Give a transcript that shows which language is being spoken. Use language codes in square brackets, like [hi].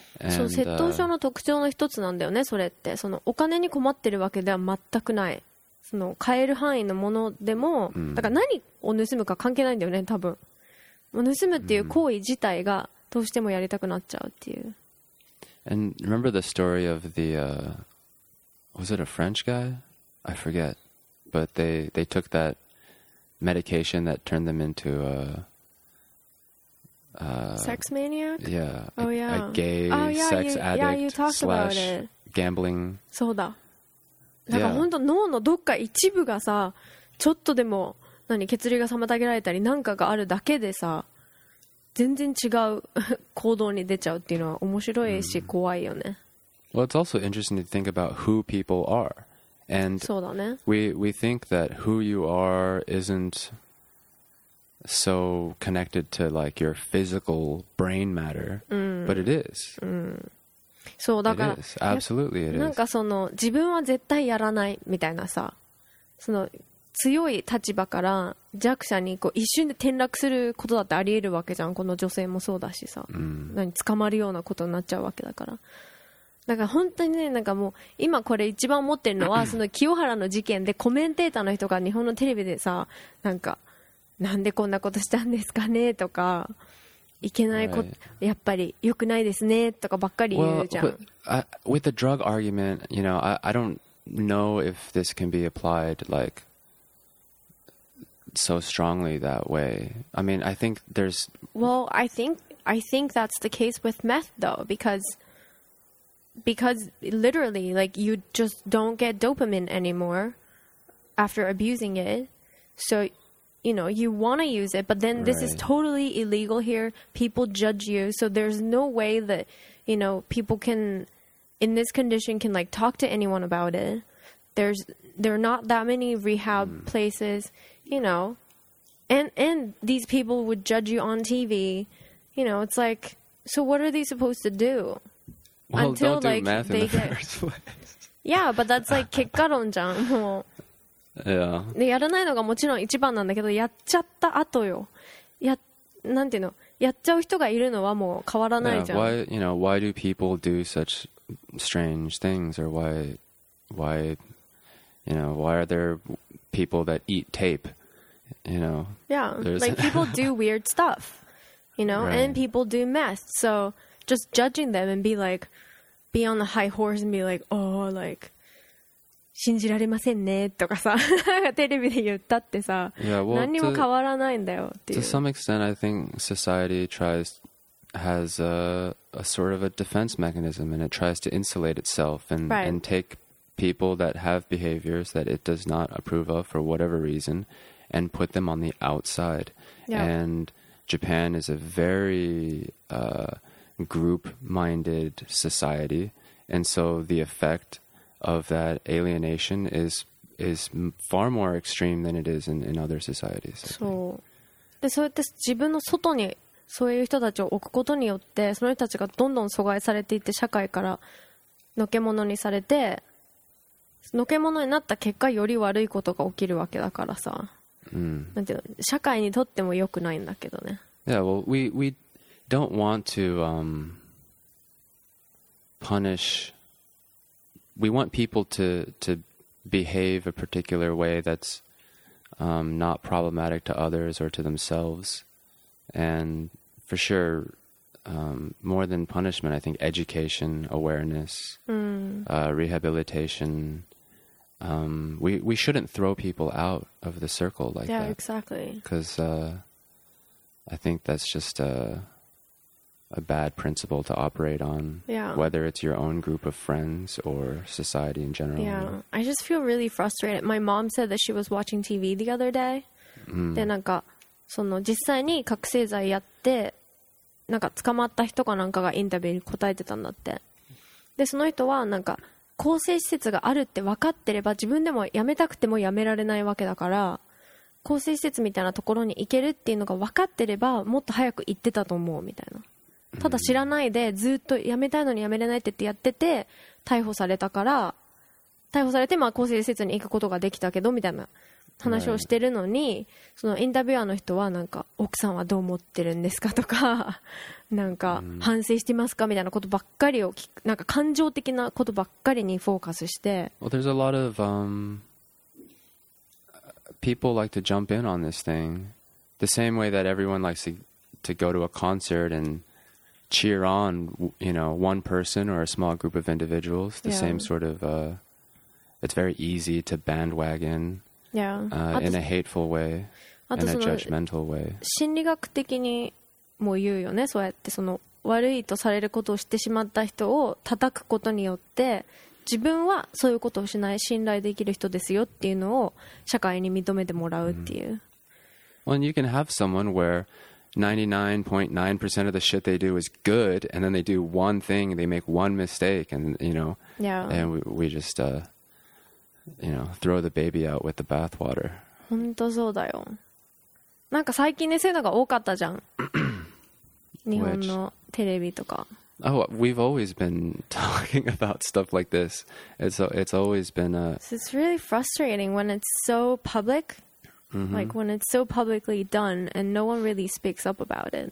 [ja] そう、窃盗症の特徴の一つなんだよね、それって。そのお金に困ってるわけでは全くない。その買える範囲のものでも、だから何を盗むか関係ないんだよね、多分。盗むっていう行為自体がどうしてもやりたくなっちゃうっていう。 [en] And remember the story of the, was it a French guy? I forget. But they took that medication that turned them into a... sex maniac? Yeah. Oh, yeah. A gay sex addict yeah, you talked slash about it. Gambling. [ja] そうだ。なんか本当脳のどっか一部がさ、ちょっとでも何血流が妨げられたりなんかがあるだけでさ、全然違う行動に出ちゃうっていうのは面白いし怖いよね。 [en] Well, it's also interesting to think about who people are. And [ja] そうだね。 [en] We think that who you are isn't so connected to like your physical brain matter, but it is. [ja] そうだから。 [en] It is. Absolutely, it is. [ja] なんかその自分は絶対やらないみたいなさ、その強い立場から弱者にこう一瞬で転落することだってありえるわけじゃんこの女性もそうだしさ、何捕まるようなことになっちゃうわけだからだから本当にねなんかもう今これ一番思ってるのはその清原の事件でコメンテーターの人が日本のテレビでさなんかなんでこんなことしたんですかねとかいけないこと、 [en] right. [ja] やっぱり良くないですねとかばっかり言うじゃん [en] well, with the drug argument you know I don't know if this can be applied likeso strongly that way. I mean, I think there's... Well, I think that's the case with meth, though, because literally, like, you just don't get dopamine anymore after abusing it. So, you know, you want to use it, but then this right. is totally illegal here. People judge you. So there's no way that, you know, people can, in this condition, can, like, talk to anyone about it. There are not that many rehab places... You know, and these people would judge you on TV. You know, it's like, so what are they supposed to do? Well, until, don't do like, meth they in the get... first place. Yeah, but that's like, [ja] 結果論じゃん。もう。 [en] Yeah. [ja] で、やらないのがもちろん一番なんだけど、やっちゃった後よ。なんていうの? やっちゃう人がいるのはもう変わらないじゃん。 [en] Why, you know, why do people do such strange things? Or why, you know, why are there people that eat tape? You know, yeah, like people do weird stuff, you know,、right. and people do meth. So just judging them and be like, be on the high horse and be like, oh, like, [ja] 信じられませんねとかさテレビで言ったってさ、 [en] yeah, well, 何にも変わらないんだよっていう。 To some extent I think society tries has a sort of a defense mechanism and it tries to insulate itself and,、 right. and take people that have behaviors that it does not approve of for whatever reason and put them on the outside、 yeah. and Japan is a very、group minded society and so the effectof that alienation is far more extreme than it is in other societies. [ja] そう。で、そうやって自分の外にそういう人たちを置くことによって、その人たちがどんどん阻害されていって、社会からのけものにされて、のけものになった結果、より悪いことが起きるわけだからさ。なんていうの、社会にとっても良くないんだけどね。 [en] Yeah, well, we don't want to, punishWe want people to behave a particular way that's、not problematic to others or to themselves. And for sure,、more than punishment, I think education, awareness,、rehabilitation.、we shouldn't throw people out of the circle like yeah, that. Yeah, exactly. Because、I think that's just a bad principle to operate on, yeah. whether it's your own group of friends or society in general. Yeah, I just feel really frustrated. My mom said that she was watching TV the other day.、 Mm. [ja] で、なんか、その、実際に覚醒剤やって、なんか捕まった人かなんかがインタビューに答えてたんだって。で、その人は、なんか、更生施設があるって分かってれば、自分でも辞めたくても辞められないわけだから、更生施設みたいなところに行けるっていうのが分かってれば、もっと早く行ってたと思う、みたいな。ただ知らないでずっと辞めたいのに辞めれないってやってて逮捕されたから逮捕されてまあ更生施設に行くことができたけどみたいな話をしてるのにそのインタビュアーの人はなんか奥さんはどう思ってるんですかとかなんか反省してますかみたいなことばっかりを聞くなんか感情的なことばっかりにフォーカスして [en] Well, there's a lot of people like to jump in on this thing the same way that everyone likes to go to a concert andcheer on, you know, one person or a small group of individuals, the、 yeah. same sort of, it's very easy to bandwagon、 yeah. In a hateful way, in a judgmental way. [ja] 心理学的にも言うよね、そうやってその悪いとされることをしてしまった人を叩くことによって、自分はそういうことをしない、信頼できる人ですよっていうのを社会に認めてもらうっていう。 [en] Mm-hmm. Well, you can have someone where,99.9% of the shit they do is good, and then they do one thing, they make one mistake, and you know, yeah, and we just, you know, throw the baby out with the bathwater. [ja] 本当そうだよ。なんか最近ね、そういうのが多かったじゃん。日本のテレビとか。 [en] Oh, we've always been talking about stuff like this. It's always been a. So it's really frustrating when it's so public. Mm-hmm. Like when it's so publicly done and no one really speaks up about it.